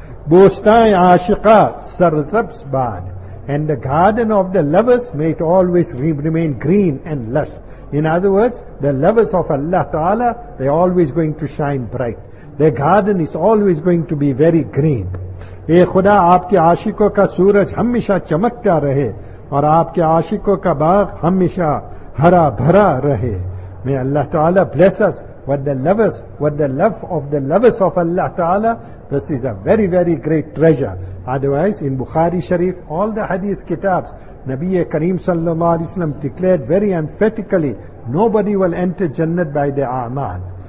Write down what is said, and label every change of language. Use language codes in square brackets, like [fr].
[fa] بوستان عاشقہ سرسبز باد. [en] And the garden of the lovers may it always remain green and lush. In other words, the lovers of Allah Ta'ala, they're always going to shine bright. Their garden is always going to be very green. [ur] اے خدا آپ کے عاشقوں کا سورج ہمیشہ چمکتا رہے اور آپ کے عاشقوں کا باغ ہمیشہ ہرا بھرا رہے. [en] May Allah Ta'ala bless us what the lovers, what the love of the lovers of Allah Ta'ala, this is a very, very great treasure. Otherwise, in Bukhari Sharif, all the hadith kitabs, Nabiya Kareem Sallallahu Alaihi Wasallam declared very emphatically, nobody will enter Jannat by the a'mal.